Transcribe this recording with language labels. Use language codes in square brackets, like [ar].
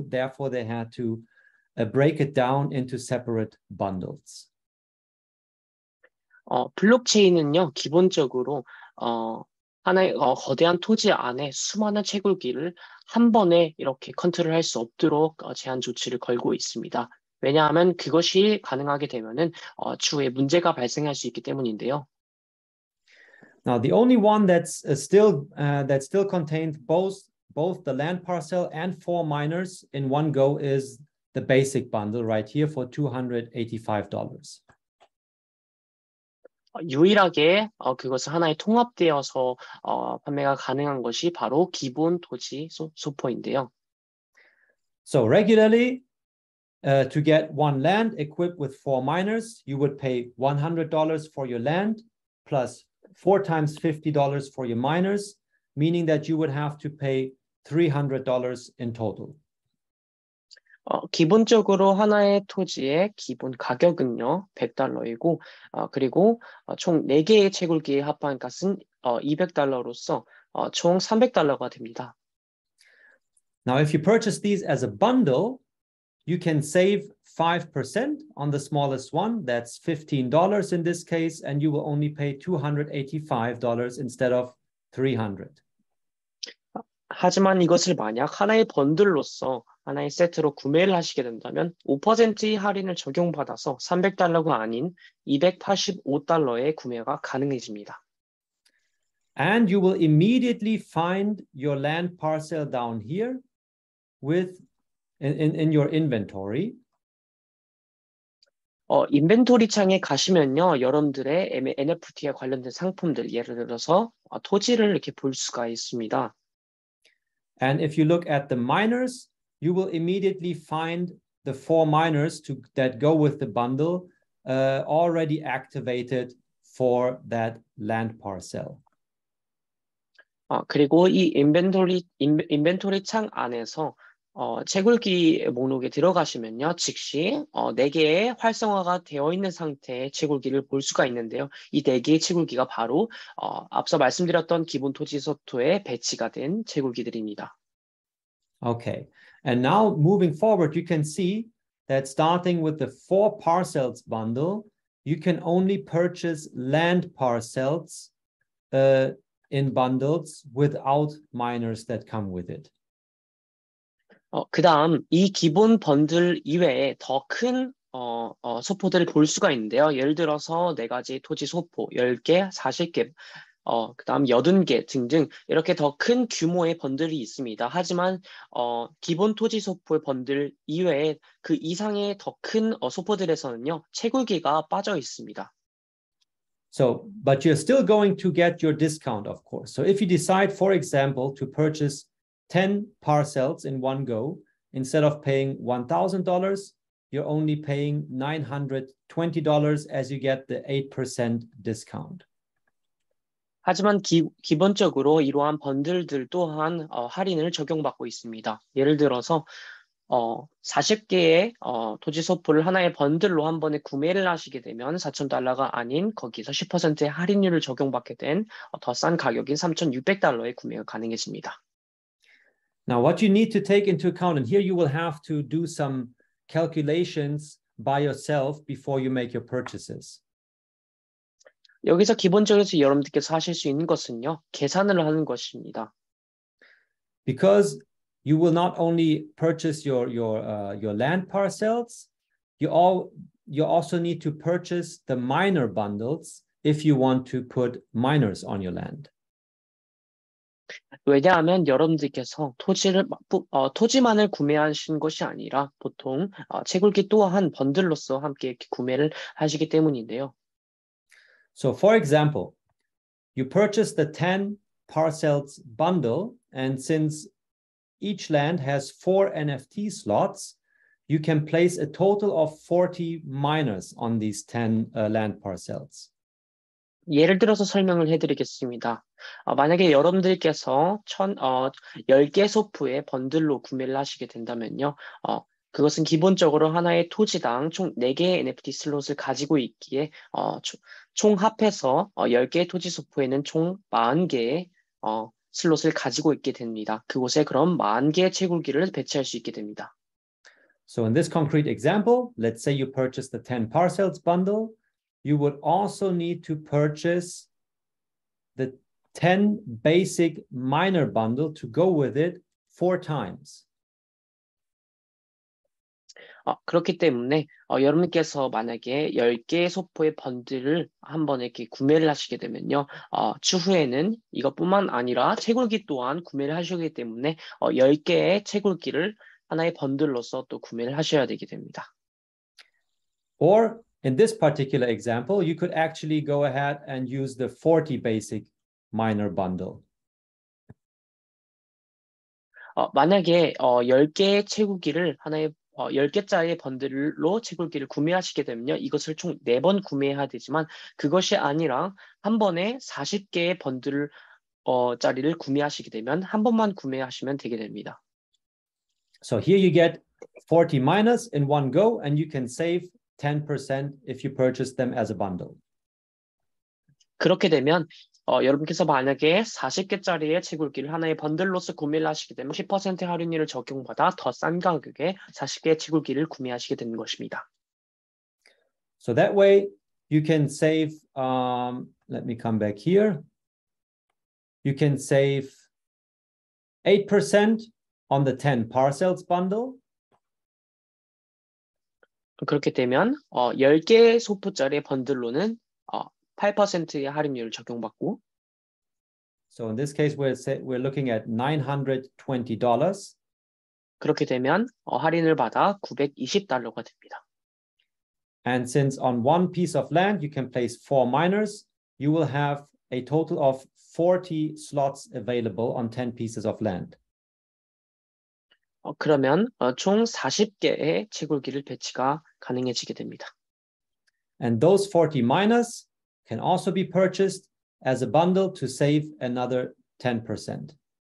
[en] Therefore, they had to break it down into separate bundles. [ko] 블록체인은요, 기본적으로 하나의 거대한 토지 안에 수많은 채굴기를 한 번에 이렇게 컨트롤할 수 없도록 제한 조치를 걸고 있습니다. 왜냐하면 그것이 가능하게 되면은 추후에 문제가 발생할 수 있기 때문인데요. [en] Now the only one that's still contains both the land parcel and four miners in one go is the basic bundle right here for $285. [ko] 유일하게 그것을 하나에 통합되어서 판매가 가능한 것이 바로 기본 토지 소포인데요. [en] So regularly to get one land equipped with four miners, you would pay $100 for your land plus $4 times $50 for your miners, meaning that you would have to pay $300 in total. [ko] 기본적으로 하나의 토지의 기본 가격은요, 100달러이고, 그리고 총 4개의 채굴기의 합한 값은 $200로서 총 $300가 됩니다. [en] Now, if you purchase these as a bundle, you can save 5% on the smallest one, that's $15 in this case, and you will only pay $285 instead of $300. [ko] 하지만 이것을 만약 하나의 번들로서 하나의 세트로 구매를 하시게 된다면 5% 할인을 적용받아서 $300가 아닌 $285의 구매가 가능해집니다. [en] And you will immediately find your land parcel down here with in your inventory. [ko] 인벤토리 창에 가시면요, 여러분들의 NFT에 관련된 상품들, 예를 들어서 토지를 이렇게 볼 수가 있습니다. [en] And if you look at the miners, you will immediately find the four miners that go with the bundle already activated for that land parcel. [ko] 그리고 이 인벤토리 창 안에서 채굴기 목록에 들어가시면요, 즉시 4개의 활성화가 되어 있는 상태의 채굴기를 볼 수가 있는데요. 이 4개의 채굴기가 바로 앞서 말씀드렸던 기본 토지 소토에 배치가 된 채굴기들입니다. [en] Okay, and now moving forward, you can see that starting with the four parcels bundle, you can only purchase land parcels in bundles without miners that come with it. [ko] 그다음 이 기본 번들 이외에 더 큰 소포들을 볼 수가 있는데요. 예를 들어서 4가지 토지 소포 10개, 40개, 그다음 여든 개 등등 이렇게 더 큰 규모의 번들이 있습니다. 하지만 기본 토지 소포의 번들 이외에 그 이상의 더 큰 소포들에서는요 채굴기가 빠져 있습니다. [en] So, but you're still going to get your discount, of course. So, if you decide, for example, to purchase 10 parcels in one go instead of paying $1,000, you're only paying $920 as you get the 8% discount. [ko] 하지만 기본적으로 이러한 번들들 또한 할인을 적용받고 있습니다. 예를 들어서 40개의 토지 소포를 하나의 번들로 한 번에 구매를 하시게 되면 $4,000가 아닌 거기서 10%의 할인율을 적용받게 된 더 싼 가격인 $3,600에 구매가 가능해집니다. [en] Now what you need to take into account, and here you will have to do some calculations by yourself before you make your purchases. [ko] 여기서 기본적으로 여러분들께서 하실 수 있는 것은요, 계산을 하는 것입니다. [en] Because you will not only purchase your land parcels, you also need to purchase the miner bundles if you want to put miners on your land. [ko] 왜냐하면 여러분들께서 토지만을 구매하신 것이 아니라 보통 채굴기 또한 번들로서 함께 구매를 하시기 때문인데요. [en] So for example, you purchase the 10 parcels bundle, and since each land has 4 NFT slots, you can place a total of 40 miners on these 10 land parcels. [ko] 예를 들어서 설명을 해드리겠습니다. 만약에 여러분들께서 10개 소프의 번들로 구매를 하시게 된다면요. 그것은 기본적으로 하나의 토지당 총 4개의 NFT 슬롯을 가지고 있기에 총 합해서 10개의 토지 소프에는 총 40개의 슬롯을 가지고 있게 됩니다. 그곳에 그럼 40개의 채굴기를 배치할 수 있게 됩니다. [en] So in this concrete example, let's say you purchase the 10 parcels bundle. You would also need to purchase the 10 basic miner bundle to go with it 4 times. [ko] 그렇기 때문에 여러분께서 만약에 10개의 소포의 번들을 한 번에 이렇게 구매를 하시게 되면요. 추후에는 이것뿐만 아니라 채굴기 또한 구매를 하시기 때문에 10개의 채굴기를 하나의 번들로서 또 구매를 하셔야 되게 됩니다. [en] Or in this particular example, you could actually go ahead and use the 40 basic miner bundle. [ko] 만약에 10개의 채굴기를 하나의 10개짜리 번들로 채굴기를 구매하시게 되면요. 이것을 총 4번 구매해야 되지만 그것이 아니라 한 번에 40개의 번들 짜리를 구매하시게 되면 한 번만 구매하시면 되게 됩니다. [en] So here you get 40 miners in one go and you can save 10% if you purchase them as a bundle. [ko] 그렇게 되면 여러분께서 만약에 40개짜리의 채굴기를 하나의 번들로서 구매를 하시게 되면 10% 할인율을 적용받아 더 싼 가격에 40개의 채굴기를 구매하시게 되는 것입니다. [en] So that way you can save let me come back here. You can save 8% on the 10 parcels bundle. [ko] 그렇게 되면 10개의 소포짜리 번들로는 8%의 할인율을 적용받고 [en] So in this case we're looking at $920. [ko] 그렇게 되면 할인을 받아 $920가 됩니다. [en] And since on one piece of land you can place 4 miners, you will have a total of 40 slots available on 10 pieces of land. [ko] 그러면 총 40개의 채굴기를 배치가 가능해지게 됩니다. [en] And those 40 miners can also be purchased as a bundle to save another 10%.